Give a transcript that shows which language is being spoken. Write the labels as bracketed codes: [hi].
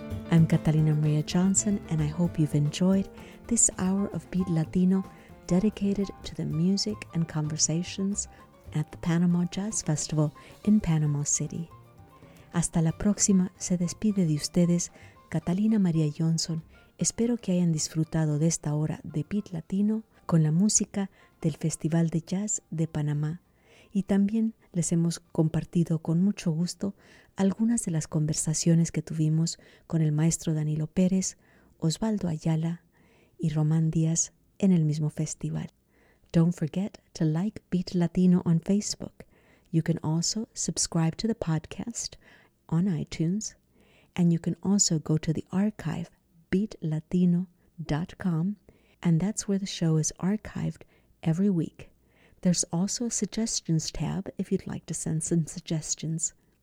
[en] I'm Catalina Maria Johnson, and I hope you've enjoyed this hour of Beat Latino dedicated to the music and conversations at the Panama Jazz Festival in Panama City. [es] Hasta la próxima, se despide de ustedes, Catalina María Johnson. Espero que hayan disfrutado de esta hora de Beat Latino con la música del Festival de Jazz de Panamá. Y también les hemos compartido con mucho gusto algunas de las conversaciones que tuvimos con el maestro Danilo Pérez, Osvaldo Ayala y Román Díaz en el mismo festival. [en] Don't forget to like Beat Latino on Facebook. You can also subscribe to the podcast on iTunes. And you can also go to the archive, beatlatino.com. And that's where the show is archived every week. There's also a suggestions tab if you'd like to send some suggestions.